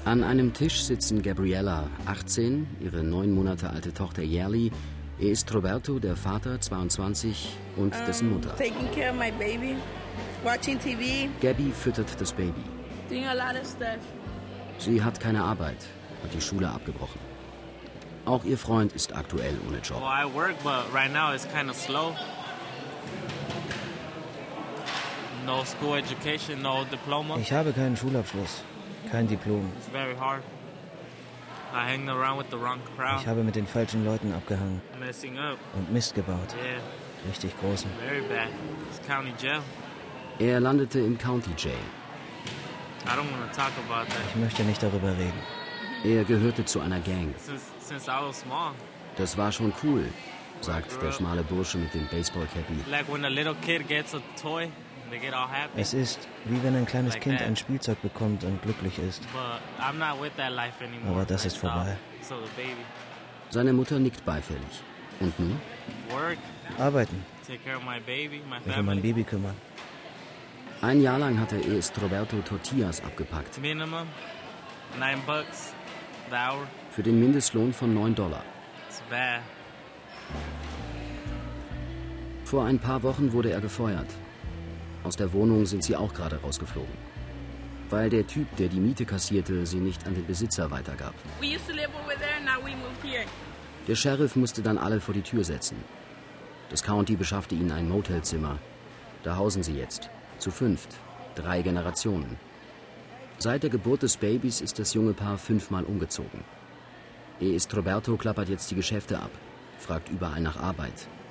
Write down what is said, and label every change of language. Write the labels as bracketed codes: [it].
[de] An einem Tisch sitzen Gabriella, 18, ihre 9 Monate alte Tochter Yerli. Er ist Roberto, der Vater, 22, und dessen Mutter. [en] Taking care of my baby, watching TV. [de] Gabby füttert das Baby. [en] Doing a lot of stuff. [de] Sie hat keine Arbeit, hat die Schule abgebrochen. Auch ihr Freund ist aktuell ohne Job. [en] Well, I work, but right now it's kind of slow. No school education, no diploma. [de] Ich habe keinen Schulabschluss, kein Diplom. [en] It's very hard. I hang around with the wrong crowd. [de] Ich habe mit den falschen Leuten abgehangen. [en] Messing up. [de] Und Mist gebaut. [en] Yeah. [de] Richtig großen. [en] Very bad. It's county jail. [de] Er landete im County Jail. [en] I don't want to talk about that. [de] Ich möchte nicht darüber reden. Er gehörte zu einer Gang. [en] Since I was small. [de] Das war schon cool, sagt der schmale Bursche mit dem Baseball-Cappy. [en] Like when a little kid gets a toy, they get all happy. [de] Es ist, wie wenn ein kleines Kind ein Spielzeug bekommt und glücklich ist. [en] But I'm not with that life anymore. [de] Aber das ist vorbei. [en] So the baby. [de] Seine Mutter nickt beifällig. Und nun? [en] Work. [de] Arbeiten. [en] Take care of my baby, my family. [de] Ich will mein Baby kümmern. Ein Jahr lang hat er erst Roberto Tortillas abgepackt. [en] Minimum $9. The hour. [de] Für den Mindestlohn von $9. [en] It's bad. [de] Vor ein paar Wochen wurde er gefeuert. Aus der Wohnung sind sie auch gerade rausgeflogen. Weil der Typ, der die Miete kassierte, sie nicht an den Besitzer weitergab. [en] We used to live over there, now we moved here. [de] Der Sheriff musste dann alle vor die Tür setzen. Das County beschaffte ihnen ein Motelzimmer. Da hausen sie jetzt. Zu 5. 3 Generationen. Seit der Geburt des Babys ist das junge Paar 5-mal umgezogen. Roberto klappert jetzt die Geschäfte ab, fragt überall nach Arbeit.